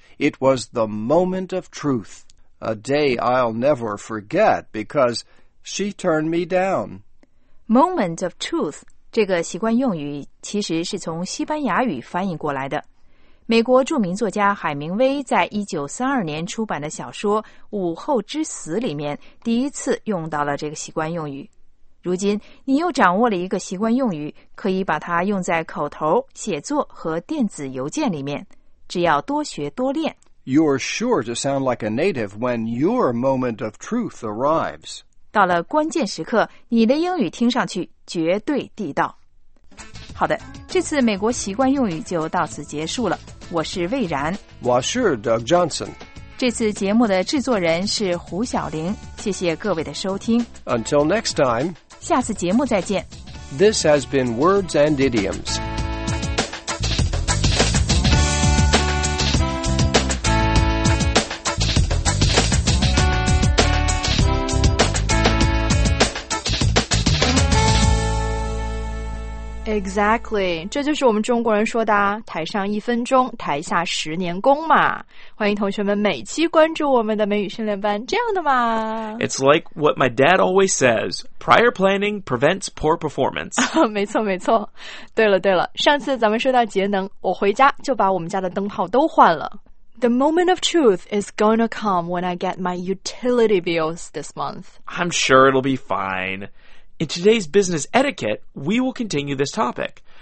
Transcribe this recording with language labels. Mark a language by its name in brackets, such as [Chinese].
[English] It was the moment of truth. A day I'll never forget because she turned me down. Moment of truth. [Chinese] 这个习惯用语其实是从西班牙语翻译过来的。美国著名作家海明威在1932年出版的小说《午后之死》里面第一次用到了这个习惯用语。如今你又掌握了一个习惯用语，可以把它用在口头、写作和电子邮件里面，只要多学多练。 [English] You're sure to sound like a native when your moment of truth arrives. [Chinese] 到了关键时刻，你的英语听上去绝对地道。好的，这次美国习惯用语就到此结束了。我是魏然，我是 Doug Johnson。这次节目的制作人是胡晓玲。谢谢各位的收听。 [English] Until next time， [Chinese] 下次节目再见。 [English] This has been Words and Idioms。 Exactly， [Chinese] 这就是我们中国人说的台上一分钟，台下十年功嘛。欢迎同学们每期关注我们的美语训练班，这样的嘛。 [English] It's like what my dad always says, prior planning prevents poor performance. [Chinese] 没错没错。对了对了，上次咱们说到节能，我回家就把我们家的灯泡都换了。 [English] The moment of truth is gonna come when I get my utility bills this month. I'm sure it'll be fine. In today's business etiquette, we will continue this topic.